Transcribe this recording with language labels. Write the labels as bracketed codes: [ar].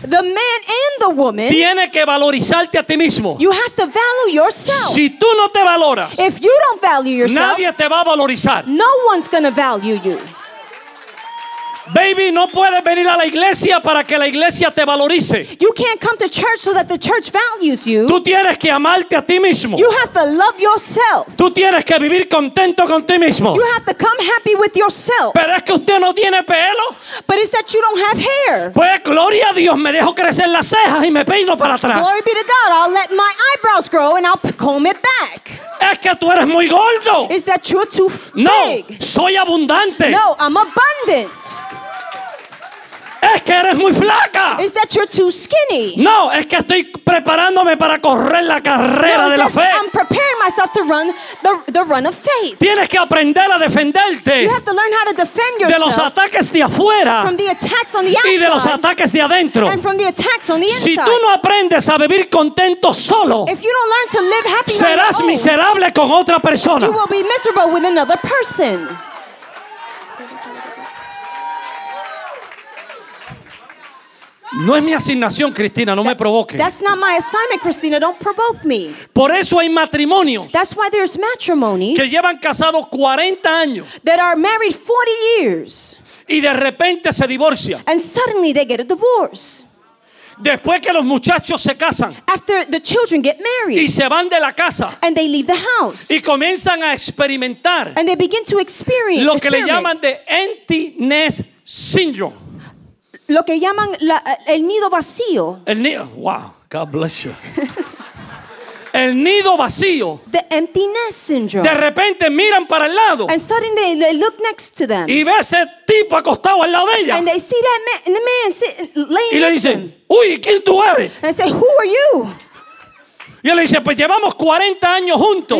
[en] the man and the woman, [es] tiene que valorizarte a ti mismo. [en] You have to value yourself. [es] Si tú no te valoras, [en] if you don't value yourself, [es] nadie te va a valorizar. [en] No one's gonna value you. [es] Baby, no puedes venir a la iglesia para que la iglesia te valorice. [en] You can't come to church so that the church values you. [es] Tú tienes que amarte a ti mismo. [en] You have to love yourself. [es] Tú tienes que vivir contento con ti mismo. [en] You have to come happy with yourself. [es] Pero es que usted no tiene pelo. [en] But it's that you don't have hair. [es] Pues gloria a Dios, me dejo crecer las cejas y me peino para atrás. [en] Glory be to God, I'll let my eyebrows grow and I'll comb it back. [es] Es que tú eres muy gordo. [en] Is that you're too big? [es] No, soy abundante. [en] No, I'm abundant. [es] Es que eres muy flaca. [en] Is that you're too skinny? [es] No, es que estoy preparándome para correr la carrera no, de la fe. [en] I'm preparing myself to run the run of faith. [es] Tienes que aprender a defenderte. [en] You have to learn how to defend yourself. [es] De los ataques de afuera. [en] From the attacks on the outside. [es] Y de los ataques de adentro. [en] And from the attacks on the inside. [es] Si tú no aprendes a vivir contento solo, [en] if you don't learn to live happy on your own, [es] serás miserable con otra persona. [en] You will be miserable with another person. [es] No es mi asignación, Cristina, no me provoque. [en] That's not my assignment, Cristina, don't provoke me. [es] Por eso hay matrimonios. [en] That's why there's matrimonies. [es] Que llevan casados 40 años. [en] That are married 40 years. [es] Y de repente se divorcian. [en] And suddenly they get a divorce. [es] Después que los muchachos se casan. [en] After the children get married. [es] Y se van de la casa. [en] And they leave the house. [es] Y comienzan a experimentar. [en] And they begin to experience. [es] Lo que le llaman de [en] empty nest syndrome. [es] Lo que llaman el nido vacío. El nido, [en] wow, God bless you. [es] El nido vacío. [en] The empty nest syndrome. [es] De repente miran para el lado. [en] And suddenly they look next to them. [es] Y ve ese tipo acostado al lado de ella. [en] And they see that man, and the man sitting laying. [es] Y le dicen, uy, ¿quién tú eres? [en] And they say, who are you? [es] Y él le dice, pues llevamos 40 años juntos.